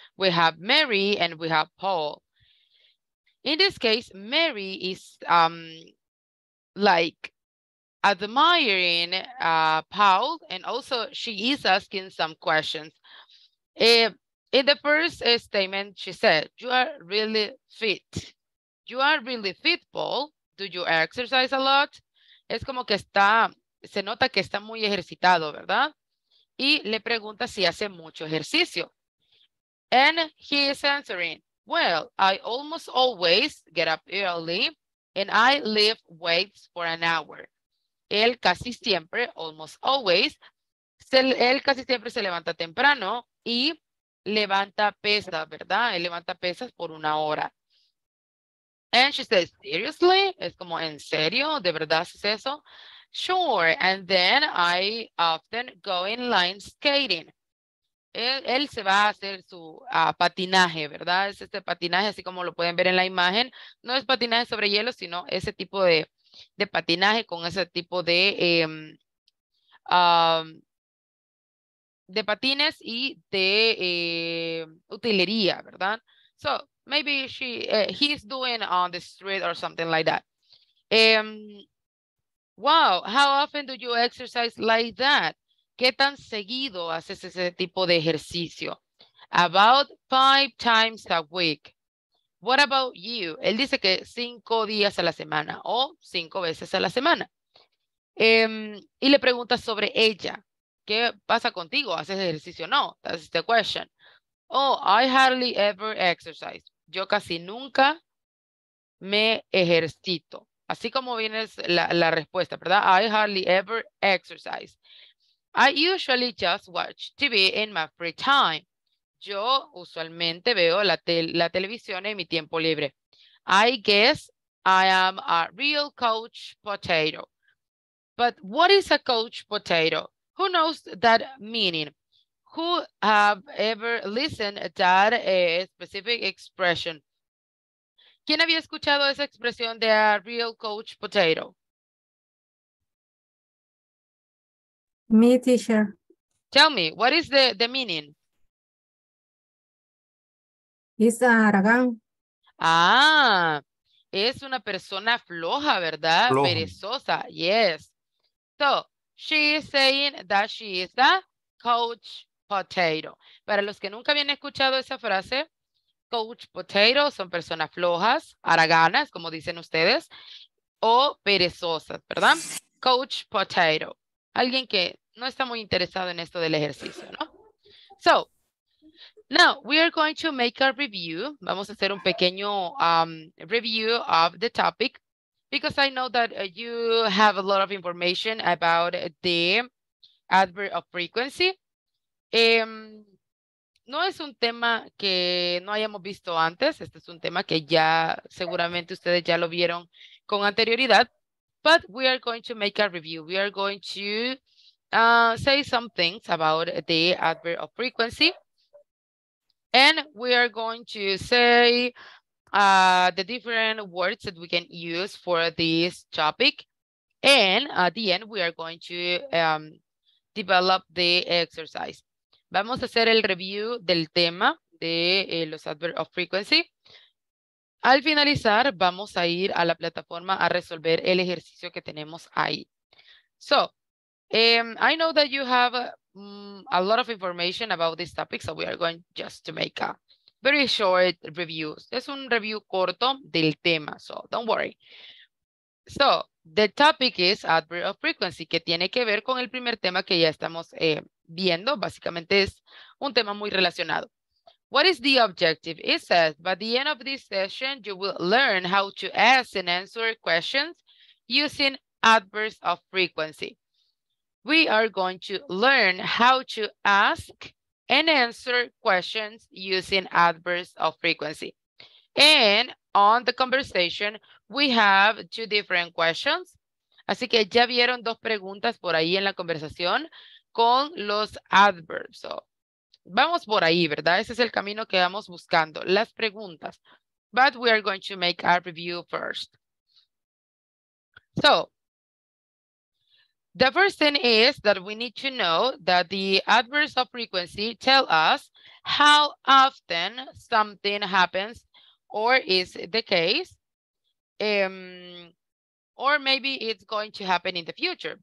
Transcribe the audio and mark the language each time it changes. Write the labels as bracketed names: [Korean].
[English] We have Mary and we have Paul. In this case, Mary is admiring Paul, and also she is asking some questions. In the first statement, she said, "You are really fit. You are really fit, Paul. Do you exercise a lot?" [Spanish] Es como que está, se nota que está muy ejercitado, ¿verdad? Y le pregunta si hace mucho ejercicio. [English] And he is answering, "Well, I almost always get up early and I lift weights for an hour." [Spanish] Él casi siempre, [English] almost always, [Spanish] él casi siempre se levanta temprano y levanta pesas, ¿verdad? Él levanta pesas por una hora. [English] And she says, "Seriously?" [Spanish] Es como, ¿en serio? ¿De verdad es eso? [English] "Sure. And then I often go inline skating." [Spanish] Él se va a hacer su patinaje, ¿verdad? Es este patinaje, así como lo pueden ver en la imagen. No es patinaje sobre hielo, sino ese tipo de patinaje con ese tipo de patines y de utilería, ¿verdad? [English] So, maybe he's doing on the street or something like that. Wow, how often do you exercise like that? [Spanish] ¿Qué tan seguido haces ese tipo de ejercicio? [English] About 5 times a week. What about you? [Spanish] Él dice que 5 días a la semana o 5 veces a la semana. Y le pregunta sobre ella. ¿Qué pasa contigo? ¿Haces ejercicio o no? [English] That's the question. Oh, I hardly ever exercise. [Spanish] Yo casi nunca me ejercito. Así como viene la respuesta, ¿verdad? [English] I hardly ever exercise. I usually just watch TV in my free time. [Spanish] Yo usualmente veo la televisión en mi tiempo libre. [English] I guess I am a real couch potato. But what is a couch potato? Who knows that meaning? Who have ever listened to that specific expression? [Spanish] ¿Quién había escuchado esa expresión de [English] a real couch potato? Me, teacher. Tell me, what is the meaning? It's a haragán. [Spanish] Ah, es una persona floja, ¿verdad? Flojo. Perezosa, yes. [English] So, she is saying that she is a couch potato. [Spanish] Para los que nunca habían escuchado esa frase, couch potato son personas flojas, haraganas, como dicen ustedes, o perezosas, ¿verdad? Couch potato. Alguien que no está muy interesado en esto del ejercicio, ¿no? [English] So, now we are going to make a review. [Spanish] Vamos a hacer un pequeño review [English] of the topic, because I know that you have a lot of information about the adverb of frequency. [Spanish] no es un tema que no hayamos visto antes. Este es un tema que ya seguramente ustedes ya lo vieron con anterioridad. [English] But we are going to make a review. We are going to say some things about the adverb of frequency. And we are going to say the different words that we can use for this topic. And at the end, we are going to develop the exercise. [Spanish] Vamos a hacer el review del tema de los adverbs of frequency. Al finalizar, vamos a ir a la plataforma a resolver el ejercicio que tenemos ahí. [English] So, I know that you have a lot of information about this topic, so we are going just to make a very short review. [Spanish] Es un review corto del tema, [English] so don't worry. So, the topic is adverb of frequency, [Spanish] que tiene que ver con el primer tema que ya estamos viendo. Básicamente es un tema muy relacionado. [English] What is the objective? It says, by the end of this session, you will learn how to ask and answer questions using adverbs of frequency. We are going to learn how to ask and answer questions using adverbs of frequency. And on the conversation, we have two different questions. [Spanish] Así que ya vieron dos preguntas por ahí en la conversación con los adverbs. So, vamos por ahí, ¿verdad? Ese es el camino que vamos buscando, las preguntas. [English] But we are going to make a review first. So, the first thing is that we need to know that the adverbs of frequency tell us how often something happens or is the case, or maybe it's going to happen in the future.